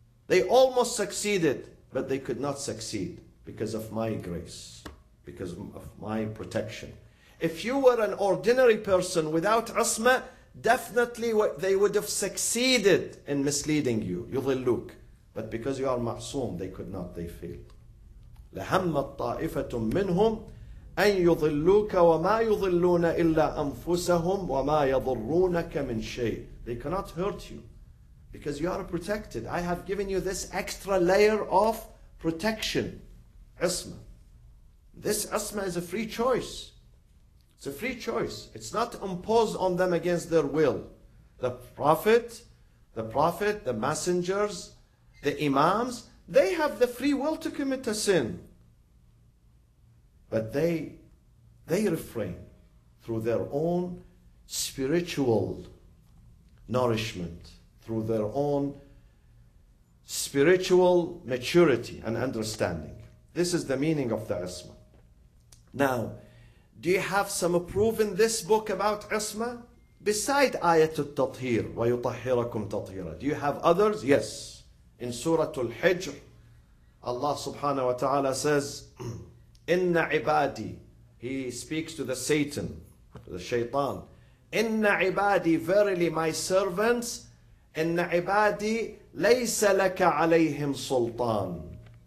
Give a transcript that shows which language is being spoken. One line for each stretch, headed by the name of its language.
English: They almost succeeded, but they could not succeed because of my grace, because of my protection. If you were an ordinary person without عصمة, definitely they would have succeeded in misleading you.
Arabic: يضلوك.
English: But because you are معصوم, they could not, they failed.
Arabic: لهمت طائفة منهم أن يضلوك وما يضلون إلا أنفسهم وما يضرونك من شيء.
English: They cannot hurt you because you are protected. I have given you this extra layer of protection.
Arabic: عصمة.
English: This عصمة is a free choice. It's a free choice. It's not imposed on them against their will. The Prophet, the messengers, the Imams, they have the free will to commit a sin. But they refrain through their own spiritual nourishment, through their own spiritual maturity and understanding. This is the meaning of the عصمة. Now, do you have some proof in this book about عصمة? Beside
Arabic: آيَةُ التطهير وَيُطَهِّرَكُمْ تَطْهِيرًا.
English: Do you have others? Yes. In Surah Al-Hijr, Allah subhanahu wa ta'ala says, إِنَّ عِبَادِي, He speaks to the Satan, the Shaytan, إِنَّ عِبَادِي, verily my servants,
Arabic: إِنَّ عِبَادِي لَيْسَ لَكَ عَلَيْهِمْ سُلْطَانِ.